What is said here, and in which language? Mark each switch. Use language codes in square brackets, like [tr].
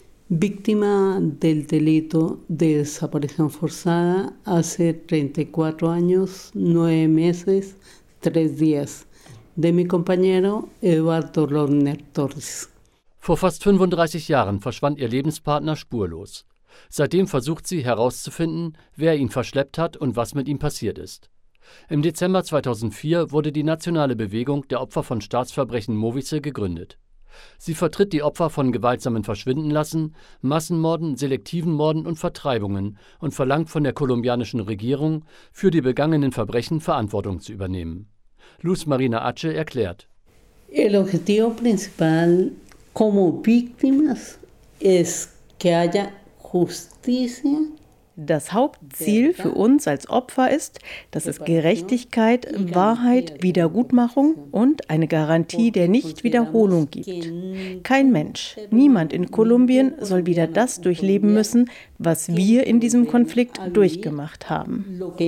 [es] Víctima del delito de desaparición forzada hace 34 años, 9 meses, 3 días, de mi compañero Eduardo Lorner Torres. [de] Vor fast 35 Jahren verschwand ihr Lebenspartner spurlos. Seitdem versucht sie herauszufinden, wer ihn verschleppt hat und was mit ihm passiert ist. Im Dezember 2004 wurde die nationale Bewegung der Opfer von Staatsverbrechen Movice gegründet. Sie vertritt die Opfer von gewaltsamen Verschwindenlassen, Massenmorden, selektiven Morden und Vertreibungen und verlangt von der kolumbianischen Regierung, für die begangenen Verbrechen Verantwortung zu übernehmen. Luz Marina Ache erklärt: [es] El objetivo principal como víctimas es que haya justicia. [de] Das Hauptziel für uns als Opfer ist, dass es Gerechtigkeit, Wahrheit, Wiedergutmachung und eine Garantie der Nichtwiederholung gibt. Kein Mensch, niemand in Kolumbien soll wieder das durchleben müssen, was wir in diesem Konflikt durchgemacht haben.